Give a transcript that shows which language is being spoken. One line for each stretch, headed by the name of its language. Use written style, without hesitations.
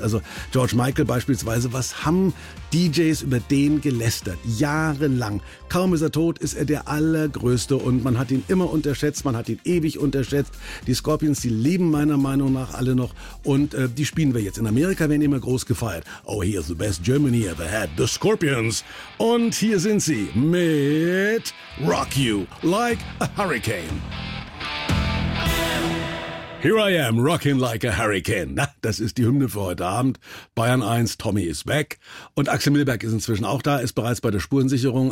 German: Also George Michael beispielsweise, was haben DJs über den gelästert? Jahrelang. Kaum ist er tot, ist er der allergrößte und man hat ihn immer unterschätzt, man hat ihn ewig unterschätzt. Die Scorpions, die leben meiner Meinung nach alle noch und die spielen wir jetzt. In Amerika werden die immer groß gefeiert.
English: Oh, here's the best Germany ever had, the Scorpions.
German: Und hier sind sie mit Rock You Like a Hurricane.
English: Here I am, rocking like a hurricane.
German: Na, das ist die Hymne für heute Abend. Bayern 1, Tommy is back. Und Axel Milberg ist inzwischen auch da, ist bereits bei der Spurensicherung.